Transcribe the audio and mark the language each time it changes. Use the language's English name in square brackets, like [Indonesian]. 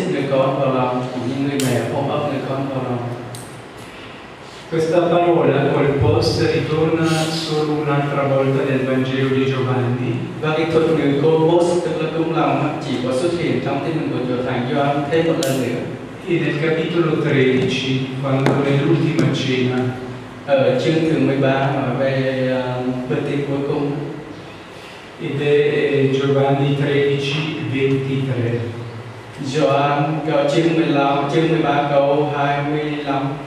[Vietnamese] Con vào lòng, những người mẹ ôm ấp người con vào lòng. [Italian] Questa parola, quel post, ritorna solo un'altra volta nel Vangelo di Giovanni. [Vietnamese] Và cái thuật ngữ câu post là cũng là một chỉ có xuất hiện trong tin mừng của Chúa Thánh Gioan thêm một lần nữa. [Italian] E nel capitolo 13, quando è l'ultima cena, [Vietnamese] chương thứ 13 nói về bữa tiệc cuối cùng. [Italian] Ed è Giovanni 13:23. [Vietnamese] Gioan câu chương 15, chương 13 câu 25.